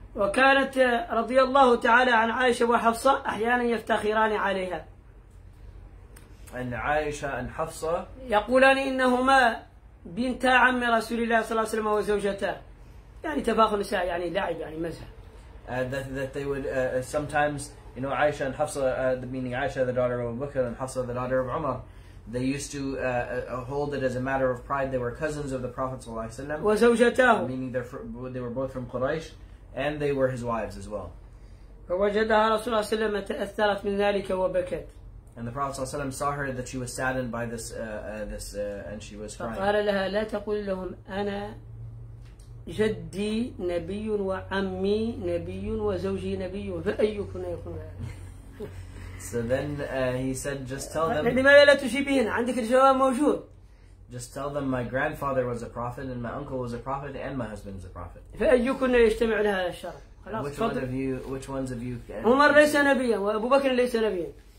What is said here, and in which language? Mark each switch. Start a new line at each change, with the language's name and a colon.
Arabic: وكانت رضي الله تعالى عن عائشة وحفصة أحيانا يفتخران عليها.
English: And عائشة and حفصة
Arabic: يقولان إنهما بنتا عم رسول الله صلى الله عليه وسلم وزوجته. يعني تفاخر النساء يعني لعب يعني مزح.
English: That they would sometimes You know, Aisha and Hafsa, meaning Aisha, the daughter of Abu Bakr, and Hafsa, the daughter of Umar, they used to hold it as a matter of pride. They were cousins of the Prophet ﷺ, meaning they were both from Quraysh, and they were his wives as well. And the Prophet ﷺ saw her that she was saddened by this, and she was crying. So then he said, just tell them my grandfather was a prophet and my uncle was a prophet and my husband is a prophet. Which ones of you
Arabic: Umar ليس نبيا وأبو بكر ليس نبيا.